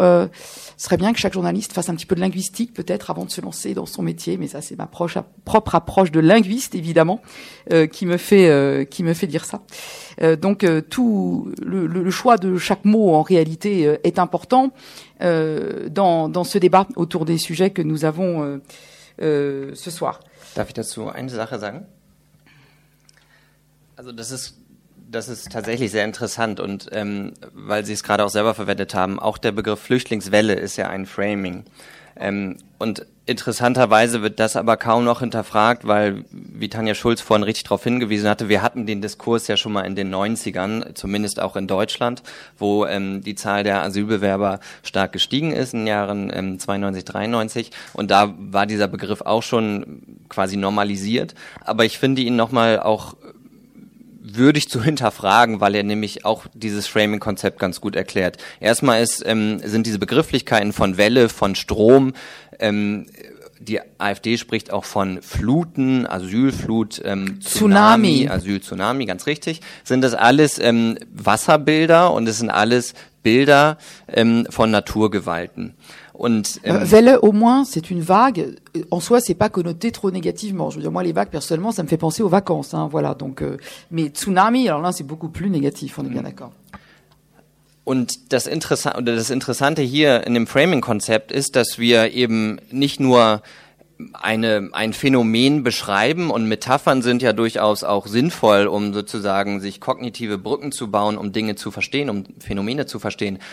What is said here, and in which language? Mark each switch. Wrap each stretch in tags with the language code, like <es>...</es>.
<fr>Ce serait bien que chaque journaliste fasse un petit peu de linguistique, peut-être, avant de se lancer dans son métier, mais ça, c'est ma propre approche de linguiste, évidemment, qui me fait dire ça. Donc, le choix de chaque mot, en réalité, est important dans ce débat autour des sujets que nous avons ce soir.</fr> <de>Darf ich dazu eine Sache sagen? Also das ist tatsächlich sehr interessant und weil Sie es gerade auch selber verwendet haben, auch der Begriff Flüchtlingswelle ist ja ein Framing. Und interessanterweise wird das aber kaum noch hinterfragt, weil, wie Tanja Schulz vorhin richtig darauf hingewiesen hatte, wir hatten den Diskurs ja schon mal in den 90ern, zumindest auch in Deutschland, wo die Zahl der Asylbewerber stark gestiegen ist in den Jahren 92, 93 und da war dieser Begriff auch schon quasi normalisiert, aber ich finde ihn nochmal auch würdig zu hinterfragen, weil er nämlich auch dieses Framing-Konzept ganz gut erklärt. Erstmal sind diese Begrifflichkeiten von Welle, von Strom, die AfD spricht auch von Fluten, Asylflut, Tsunami. Asyl-Tsunami, ganz richtig, sind das alles Wasserbilder und es sind alles Bilder von Naturgewalten. Und,</de> <fr>Welle, au moins, c'est une vague. En soi, c'est pas connoté trop négativement. Je veux dire, moi, les vagues, personnellement, ça me fait penser aux vacances. Hein, voilà. Donc, mais tsunami, alors là, c'est beaucoup plus négatif. On est bien d'accord.</fr> <de>Und das Interessante hier in dem Framing-Konzept ist, dass wir eben nicht nur ein Phänomen beschreiben und Metaphern sind ja durchaus auch sinnvoll, um sozusagen sich kognitive Brücken zu bauen, um Dinge zu verstehen, um Phänomene zu verstehen.</de>